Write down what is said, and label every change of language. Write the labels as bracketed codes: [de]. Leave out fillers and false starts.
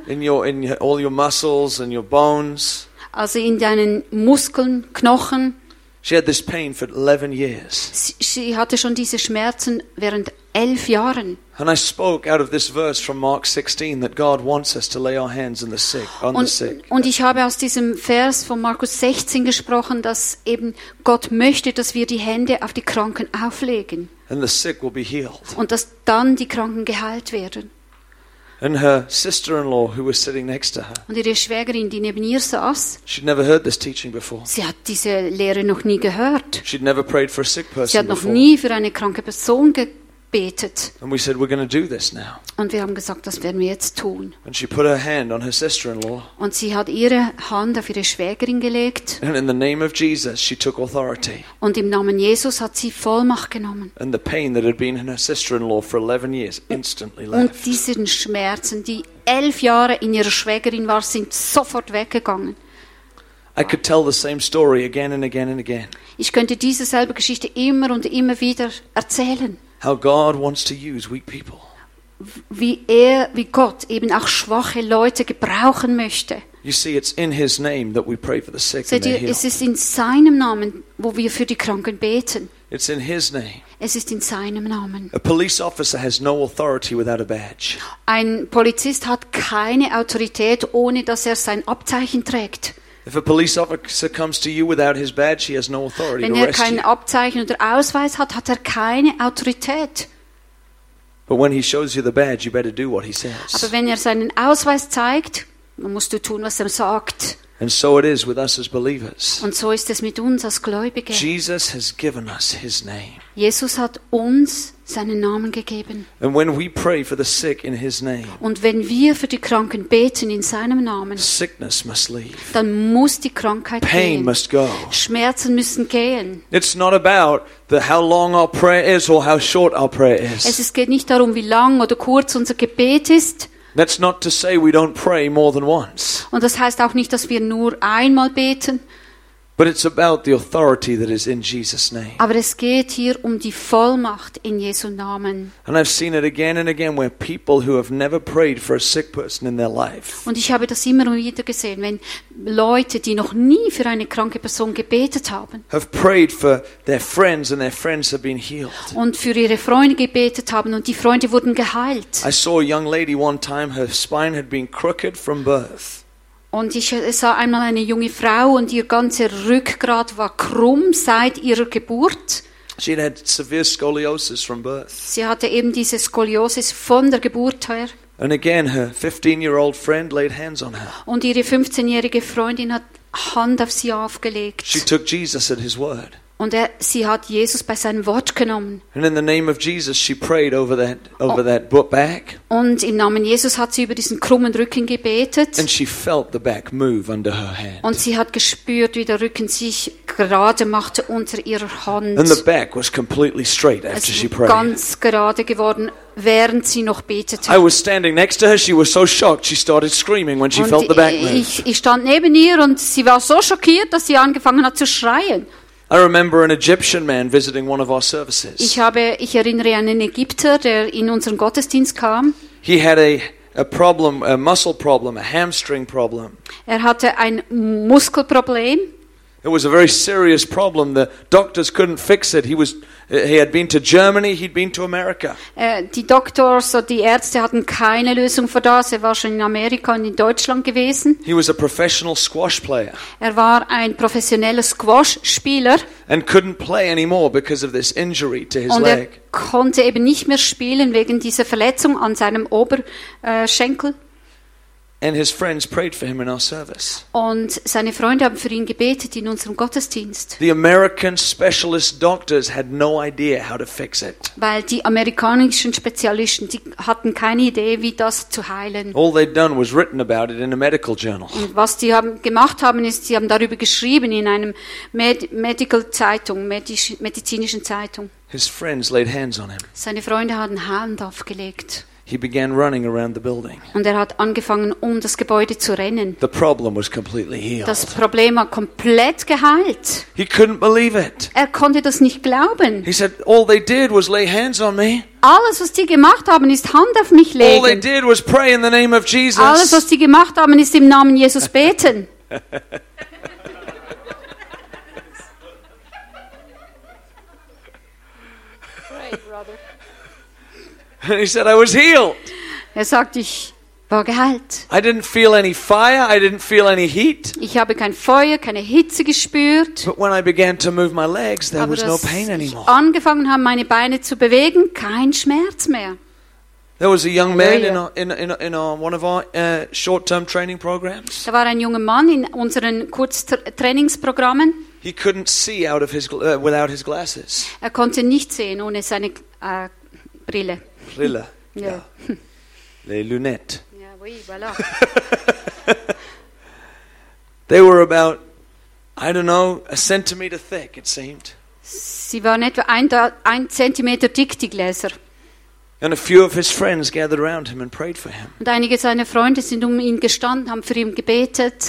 [en] In your all your muscles and your bones. [de] Also in deinen Muskeln, Knochen. [en] She had this pain for 11 years. [de] Sie hatte schon diese Schmerzen während 11 Jahren. [en] And I spoke out of this verse from Mark 16 that God wants us to lay our hands on the sick. [de] Und ich habe aus diesem Vers von Markus 16 gesprochen, dass eben Gott möchte, dass wir die Hände auf die Kranken auflegen. [en] And the sick will be healed. [de] Und dass dann die Kranken geheilt werden. [en] And her sister-in-law, who was sitting next to her. [de] Und ihre Schwägerin, die neben ihr saß. [en] She'd never heard this teaching before. [de] Sie hat diese Lehre noch nie gehört. [en] She'd never prayed for a sick person [de] Sie hat noch [en] before. [de] Nie für eine kranke Person gebetet. [en] And we said, we're going to do this now. [de] Und wir haben gesagt, das werden wir jetzt tun. [en] And she put her hand on her sister-in-law. [de] Und sie hat ihre Hand auf ihre Schwägerin gelegt. [en] And in the name of Jesus, she took authority. [de] Und im Namen Jesus hat sie Vollmacht genommen. [en] And the pain that had been in her sister-in-law for 11 years instantly left. [de] Und diese Schmerzen, die 11 Jahre in ihrer Schwägerin war, sind sofort weggegangen. [en] I could tell the same story again and again and again. [de] Ich könnte diese selbe Geschichte immer und immer wieder erzählen. [en] How God wants to use weak people. [de] Wie Gott eben auch schwache Leute gebrauchen möchte. [en] You see, it's in his name that we pray for the sick and the healed. [de] Es ist in seinem Namen, wo wir für die Kranken beten. [en] It's in his name. [de] Es ist in seinem Namen. [en] A police officer has no authority without a badge. [de] Ein Polizist hat keine Autorität, ohne dass er sein Abzeichen trägt. [en] If a police officer comes to you without his badge, he has no authority [de] Wenn [en] to arrest you. [de] Wenn er kein Abzeichen oder Ausweis hat, hat er keine Autorität. [en] But when he shows you the badge, you better do what he says. [de] Aber wenn er seinen Ausweis zeigt, dann musst du tun, was er sagt. [en] And so it is with us as believers. [de] Und so ist es mit uns als Gläubige. [en] Jesus has given us his name. [de] Jesus hat uns seinen Namen gegeben. [en] And when we pray for the sick in his name. [de] Und wenn wir für die Kranken beten in seinem Namen. [en] Sickness must leave. [de] Dann muss die Krankheit [en] Pain [de] gehen. [en] Pain must go. [de] Schmerzen müssen gehen. [en] It's not about how long our prayer is or how short our prayer is. [de] Es geht nicht darum, wie lang oder kurz unser Gebet ist. [en] That's not to say we don't pray more than once. [de] Und das heißt auch nicht, dass wir nur einmal beten. [en] But it's about the authority that is in Jesus' name. [de] Aber es geht hier um die Vollmacht in Jesu Namen. [en] And I've seen it again and again where people who have never prayed for a sick person in their life. [de] Und ich habe das immer wieder gesehen, wenn Leute, die noch nie für eine kranke Person gebetet haben, [en] have prayed for their friends and their friends have been healed. [de] Und für ihre Freunde gebetet haben und die Freunde wurden geheilt. [en] I saw a young lady one time, her spine had been crooked from birth. [de] Und ich sah einmal eine junge Frau und ihr ganzer Rückgrat war krumm seit ihrer Geburt. [en] She had severe scoliosis from birth. [de] Sie hatte eben diese Skoliosis von der Geburt her. [en] And again, her 15-year-old friend laid hands on her. [de] Und ihre 15-jährige Freundin hat Hand auf sie aufgelegt. [en] She took Jesus at his word. [de] Und sie hat Jesus bei seinem Wort genommen. [en] And in the name of Jesus, she prayed over that butt back. [de] Und im Namen Jesus hat sie über diesen krummen Rücken gebetet. [en] And she felt the back move under her hand. [de] Und sie hat gespürt, wie der Rücken sich gerade machte unter ihrer Hand. [en] And the back was completely straight after she prayed. [de] Ganz gerade geworden, während sie noch betete. [en] I was standing next to her. She was so shocked. She started screaming when she felt the back move. [de] Ich stand neben ihr und sie war so schockiert, dass sie angefangen hat zu schreien. [en] I remember an Egyptian man visiting one of our services. [de] Ich erinnere an einen Ägypter, der in unseren Gottesdienst kam. [en] He had a problem, a muscle problem, a hamstring problem. [de] Er hatte ein Muskelproblem. [en] It was a very serious problem. The doctors couldn't fix it. He had been to Germany, he'd been to America. [de] Die Doktors oder die Ärzte hatten keine Lösung für das. Er war schon in Amerika und in Deutschland gewesen. [en] He was a professional squash player. [de] Er war ein professioneller Squash-Spieler. [en] And couldn't play anymore because of this injury to his [de] und [en] leg. [de] Und er konnte eben nicht mehr spielen wegen dieser Verletzung an seinem Oberschenkel. [en] And his friends prayed for him in our service. [de] Und seine Freunde haben für ihn gebetet in unserem Gottesdienst. [en] The American specialist doctors had no idea how to fix it. [de] Weil die amerikanischen Spezialisten, die hatten keine Idee, wie das zu heilen. [en] All they'd done was written about it in a medical journal. [de] Und was die gemacht haben, ist, sie haben darüber geschrieben in einem medizinischen Zeitung. [en] His friends laid hands on him. [de] Seine Freunde hatten Hand aufgelegt. [en] He began running around the building. [de] Und hat angefangen, das Gebäude zu rennen. [en] The problem was completely healed. [de] Das Problem war komplett geheilt. [en] He couldn't believe it. [de] Konnte das nicht glauben. [en] He said, all they did was lay hands on me. [de] Alles, was die gemacht haben, ist Hand auf mich legen. [en] All they did was pray in the name of Jesus. [de] Alles, was die gemacht haben, ist im Namen Jesus beten. [en] And he said, "I was healed." [de] Sagt, ich war geheilt. [en] I didn't feel any fire. I didn't feel any heat. [de] Ich habe kein Feuer, keine Hitze gespürt. [en] But when I began to move my legs, there was no pain anymore. [de] Ich angefangen habe, meine Beine zu bewegen, kein Schmerz mehr. [en] There was a young man in one of our short-term training programs. [de] Da war ein junger Mann in unseren Kurztrainingsprogrammen. [en] He couldn't see out of his without his glasses. [de] Konnte nicht sehen ohne seine Brille. Brille, [en] yeah. [de] Ja. [fr] Les lunettes. Yeah, oui, voilà. [en] They were about, I don't know, a centimeter thick, it seemed. [de] Sie waren etwa ein Zentimeter dick, die Gläser. [en] And a few of his friends gathered around him and prayed for him. [de] Und einige seiner Freunde sind ihn gestanden, haben für ihn gebetet.